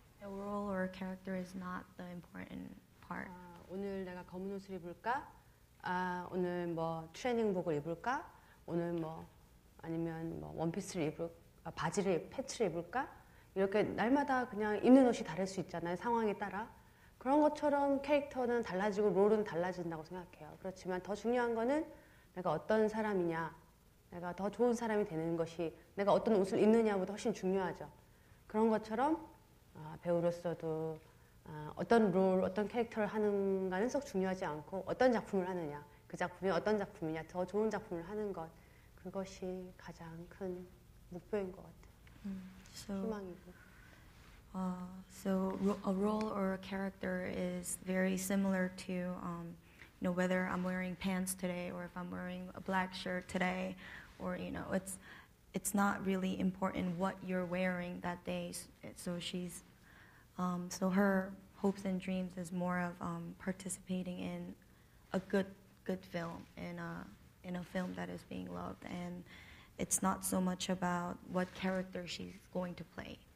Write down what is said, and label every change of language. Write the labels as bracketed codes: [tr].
[en] A role or a character is not the important. [ko] 오늘 내가 검은 옷을 입을까? 오늘 뭐 트레이닝복을 입을까? 오늘 뭐 아니면 뭐 원피스를 입을 바지를 패츠를 입을까? 이렇게 날마다 그냥 입는 옷이 다를 수 있잖아요. 상황에 따라. 그런 것처럼 캐릭터는 달라지고 롤은 달라진다고 생각해요. 그렇지만 더 중요한 거는 내가 어떤 사람이냐. 내가 더 좋은 사람이 되는 것이 내가 어떤 옷을 입느냐보다 훨씬 중요하죠. 그런 것처럼 배우로서도 어떤 롤, 어떤 캐릭터를 하는가는 썩 중요하지 않고 어떤 작품을 하느냐, 그 작품이 어떤 작품이냐, 더 좋은 작품을 하는 것, 그것이 가장 큰 목표인 것 같아요. 희망이고. [en] So a role or a character is very similar to, you know, whether I'm wearing pants today or if I'm wearing a black shirt today, or you know, it's not really important what you're wearing that day. So she's so her hopes and dreams is more of participating in a good film, in a film that is being loved, and it's not so much about what character she's going to play.